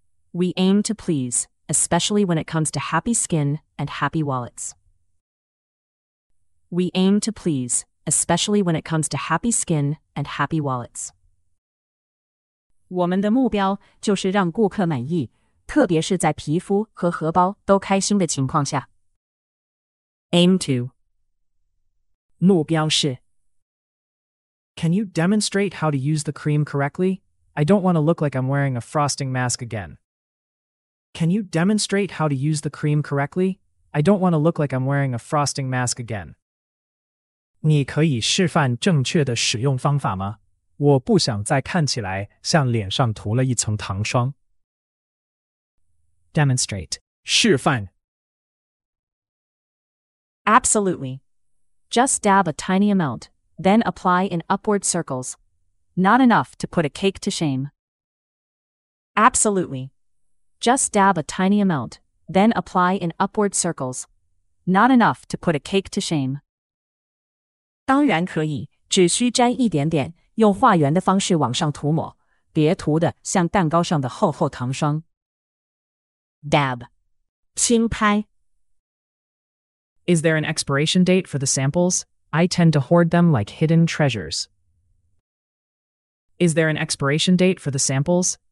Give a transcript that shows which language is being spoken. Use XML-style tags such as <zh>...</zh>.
<en>We aim to please, especially when it comes to happy skin and happy wallets. We aim to please, especially when it comes to happy skin and happy wallets.</en> <zh>我们的目标就是让顾客满意，特别是在皮肤和荷包都开心的情况下。</zh> <en>Aim to.</en> <zh>目标是。</zh> <en>Can you demonstrate how to use the cream correctly? I don't want to look like I'm wearing a frosting mask again. Can you demonstrate how to use the cream correctly? I don't want to look like I'm wearing a frosting mask again.</en> <zh>你可以示范正确的使用方法吗？我不想再看起来像脸上涂了一层糖霜。</zh> <en>Demonstrate.</en> <zh>示范。</zh> <en>Absolutely. Just dab a tiny amount, then apply in upward circles. Not enough to put a cake to shame. Absolutely. Just dab a tiny amount, then apply in upward circles. Not enough to put a cake to shame.</en> <zh>当然可以，只需沾一点点，用画圆的方式往上涂抹，别涂的像蛋糕上的厚厚糖霜。</zh> <en>Dab.</en> <zh>轻拍。</zh> <en>Is there an expiration date for the samples? I tend to hoard them like hidden treasures. Is there an expiration date for the samples?</en>